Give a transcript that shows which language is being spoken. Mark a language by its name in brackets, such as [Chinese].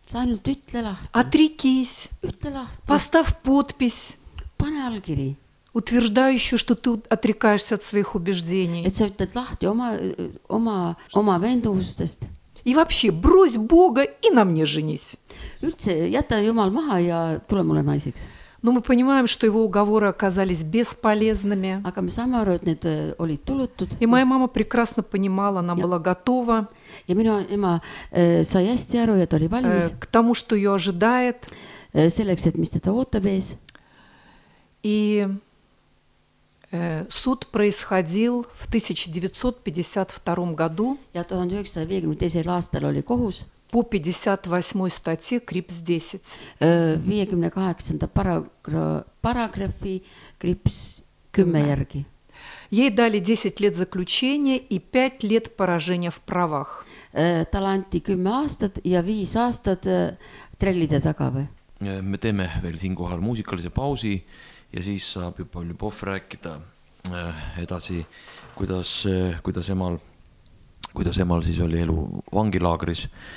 [Estonian] Ainult ütle lahti. [Russian] Отрекись. [Estonian] Ütle lahti. [Russian] Поставь подпись. [Estonian] Pane allkiri. [Russian] Утверждающую, что ты отрекаешься от своих убеждений. [Estonian] Et sa ütled lahti oma venduvustest. [Russian] И вообще, брось Бога и на мне женись. [Estonian] Üldse, jäta Jumal maha ja tule mulle naiseks. [Russian] Но мы понимаем, что его уговоры оказались бесполезными. [Estonian] Aga me saame aru, et need olid tulutud. [Russian] И моя мама прекрасно понимала, она была готова. [Estonian] Ja minu ema sai hästi aru, et oli valmis. [Russian] К тому, что ее ожидает. [Estonian] Selleks, et mis teda ootab ees. [Russian] И суд происходил в 1952 году. [Estonian] Ja 1952. Aastal oli kohus. [Russian] по 58 статье КРИПС 10. [Estonian] 58 параграфи КРИПС 10 järgi. [Russian] Ей дали 10 лет заключения и 5 лет поражения в правах. [Estonian] Таланти 10 aastat ja 5 aastat trellide taga või. Me teeme veel siin kohal muusikalise pausi ja siis saab juba Ljubov rääkida edasi, kuidas emal siis oli elu vangilaagris.